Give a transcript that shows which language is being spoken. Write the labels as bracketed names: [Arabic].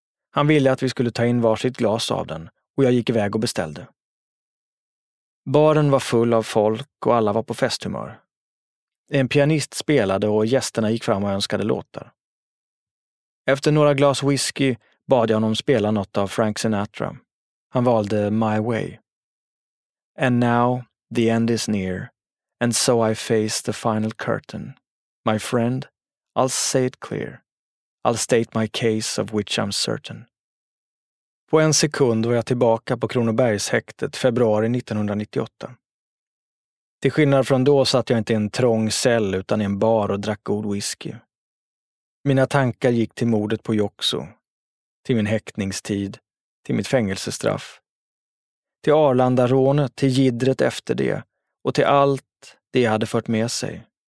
[Swedish] Han ville att vi skulle ta in varsitt glas av den och jag gick iväg och beställde. Baren var full av folk och alla var på festhumör. En pianist spelade och gästerna gick fram och önskade låtar. Efter några glas whisky bad jag honom spela något av Frank Sinatra. Han valde My Way. [English] And now the end is near, and so I face the final curtain. My friend, I'll say it clear. I'll state my case of which I'm certain. [Swedish] På en sekund var jag tillbaka på Kronobergshäktet februari 1998. Till skillnad från då satt jag inte i en trång cell utan i en bar och drack god whisky. Mina tankar gick till mordet på Joxo, till min häktningstid, till mitt fängelsestraff, till Arlandarånet, till gidret efter det och till allt det jag hade fört med sig.